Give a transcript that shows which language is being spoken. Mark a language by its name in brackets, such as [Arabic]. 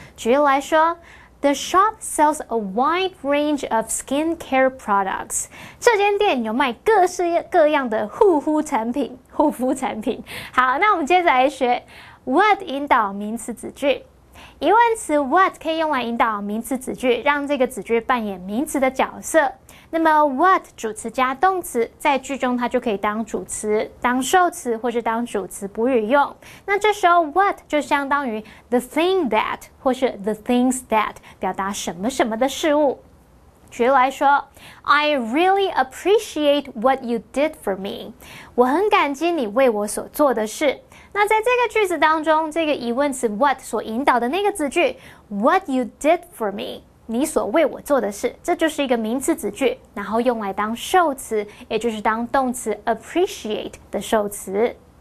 [Chinese] 举例来说， [English] The shop sells a wide range of skincare products. [Chinese] 这间店有卖各式各样的护肤产品。护肤产品。好，那我们接着来学 what 引导名词子句。疑问词 what 可以用来引导名词子句，让这个子句扮演名词的角色。那么 what 主词加动词，在句中它就可以当主词、当受词或是当主词补语用。那这时候 what 就相当于 [English] the thing that [Chinese] 或是 [English] the things that [Chinese] 表达什么什么的事物。举例来说 [English] ，I really appreciate what you did for me. [Chinese] 我很感激你为我所做的事。那在这个句子当中，这个疑问词 what 所引导的那个子句 [English] what you did for me， [Chinese] 你所为我做的事，这就是一个名词子句，然后用来当受词，也就是当动词 appreciate 的受词。